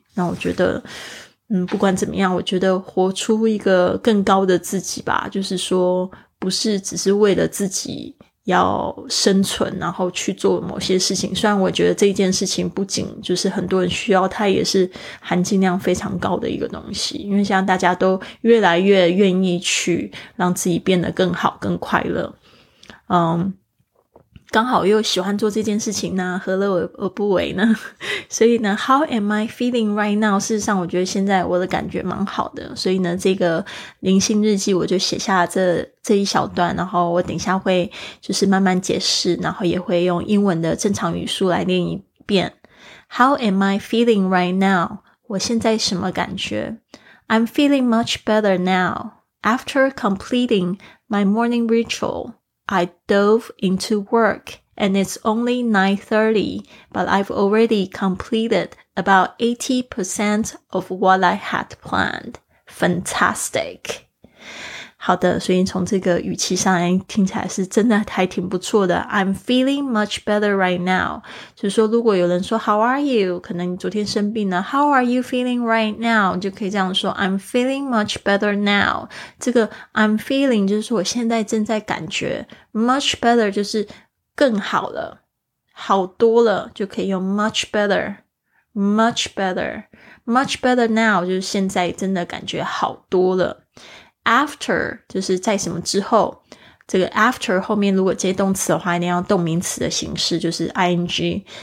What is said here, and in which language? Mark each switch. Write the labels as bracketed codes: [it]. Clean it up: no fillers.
[zh] 那我觉得不管怎么样，我觉得活出一个更高的自己吧，就是说不是只是为了自己要生存然后去做某些事情，虽然我觉得这件事情不仅就是很多人需要，它也是含金量非常高的一个东西，因为现在大家都越来越愿意去让自己变得更好更快乐。刚好又喜欢做这件事情呢，何乐而不为呢？所以呢 [en] How am I feeling right now? [zh] 事实上我觉得现在我的感觉蛮好的，所以呢这个灵性日记我就写下了这一小段，然后我等一下会就是慢慢解释，然后也会用英文的正常语速来念一遍。 [en] How am I feeling right now? [zh] 我现在什么感觉？ [en] I'm feeling much better now. After completing my morning ritual,I dove into work and it's only 9:30, but I've already completed about 80% of what I had planned. Fantastic. [zh] 好的，所以从这个语气上来听起来是真的还挺不错的。 [en] I'm feeling much better right now. [zh] 就是说如果有人说 [en] How are you? [zh] 可能你昨天生病了。 [en] How are you feeling right now? [zh] 就可以这样说 [en] I'm feeling much better now. [zh] 这个 [en] I'm feeling [zh] 就是我现在正在感觉 [en] much better [zh] 就是更好了，好多了，就可以用 [en] much better, much better, much better now [zh] 就是现在真的感觉好多了。 After 就是在什么之后，这个 after 后面如果接动词的话，一定要动名词的形式，就是 ing。